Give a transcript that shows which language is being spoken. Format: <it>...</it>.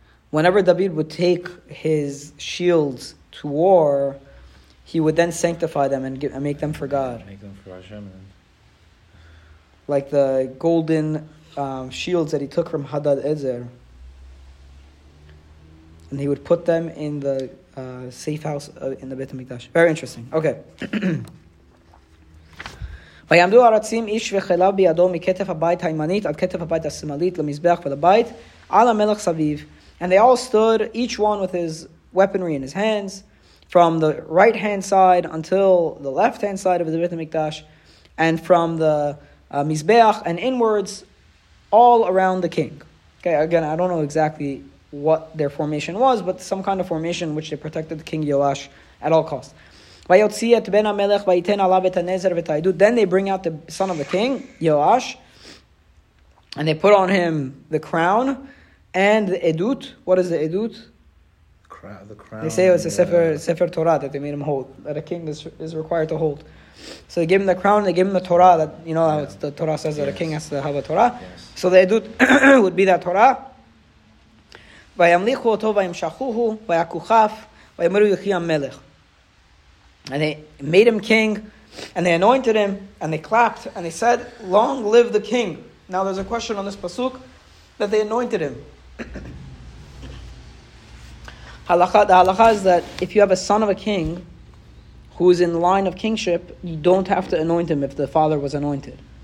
<en>Whenever David would take his shields to war, he would then sanctify them and give, and make them for God. Make them for Hashem. And... like the golden shields that he took from Hadad-Ezer. And he would put them in the safe house in the Beit HaMikdash. Very interesting. Okay.</en> <he>ויעמדו ארצים איש וחיליו בידו מכתף הבית הימנית עד כתף הבית השמאלית למזבח ולבית על המלך סביב.</he> <en>And they all stood, each one with his weaponry in his hands, from the right hand side until the left hand side of the Beit HaMikdash, and from the Mizbeach and inwards, all around the king. Okay, again, I don't know exactly what their formation was, but some kind of formation which they protected the king Yoash at all costs. Then they bring out the son of the king, Yoash, and they put on him the crown and the edut. What is the edut? The crown. They say it's a sefer Torah that they made him hold, that a king is required to hold. So they give him the crown, they give him the Torah, that, you know, yeah. The Torah says that, yes, a king has to have a Torah. Yes. So the edut would be that Torah.</en> <he>וימליכו אותו וימשכוהו ויקוחף ויאמרו יחי המלך.</he> <en>And they made him king, and they anointed him, and they clapped, and they said, long live the king. Now there's a question on this pasuk, that they anointed him. The halakha is that if you have a son of a king who is in line of kingship, you don't have to anoint him if the father was anointed.</en>